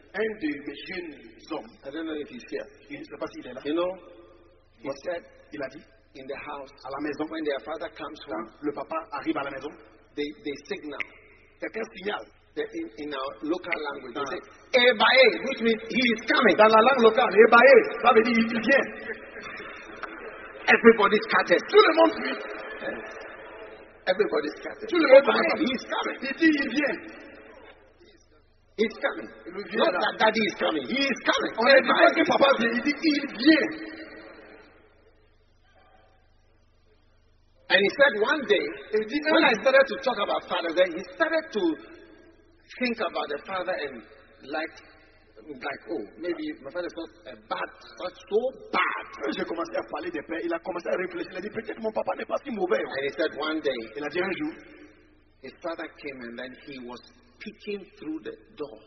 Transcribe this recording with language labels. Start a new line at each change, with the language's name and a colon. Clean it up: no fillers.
French: Un de mes jeunes hommes.
English: I don't know if he's here.
French: Je ne sais pas s'il est là.
English: You know, what he said.
French: Il a dit.
English: In the house.
French: À la maison.
English: When their father comes home.
French: Le papa arrive à la maison.
English: They signal.
French: Quelqu'un signale.
English: In our local language. They say, Ebae, which means he is coming.
French: Dans la langue locale, Ebae, ça veut dire il vient.
English: Everybody scatters.
French: Tout le monde suit.
English: Everybody scatters.
French: Tout le monde Ebae,
English: he is coming.
French: Il dit il vient.
English: He's coming. Not that daddy is coming. He is coming.
French: On est pas que papa vient. Il dit il vient.
English: And he said one day, when I started to talk about father, then he started to think about the father and like oh, maybe my father's not a bad, not so bad.
French: J'ai commencé à parler des pères. Il a commencé à réfléchir. Il a dit peut-être mon papa n'est pas si mauvais.
English: And he said one day,
French: il a dit un jour,
English: his father came and then he was peeking through the door.